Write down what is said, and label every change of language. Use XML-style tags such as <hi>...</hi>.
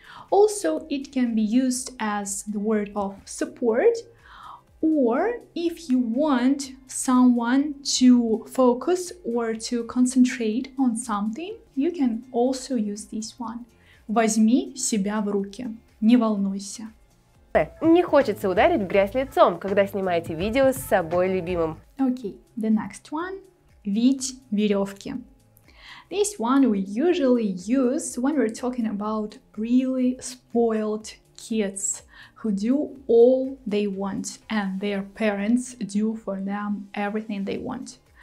<en>Also, it can be used as the word of support. Or if you want someone to focus or to concentrate on something, you can also use this one.</en> <ru>Возьми себя в руки. Не волнуйся. Не хочется ударить в грязь лицом, когда снимаете видео с собой любимым.</ru> <en>Okay, the next one.</en> <ru>Вить веревки.</ru> <en>This one we usually use when we're talking about really spoiled kids who do all they want and their parents do for them everything they want.</en>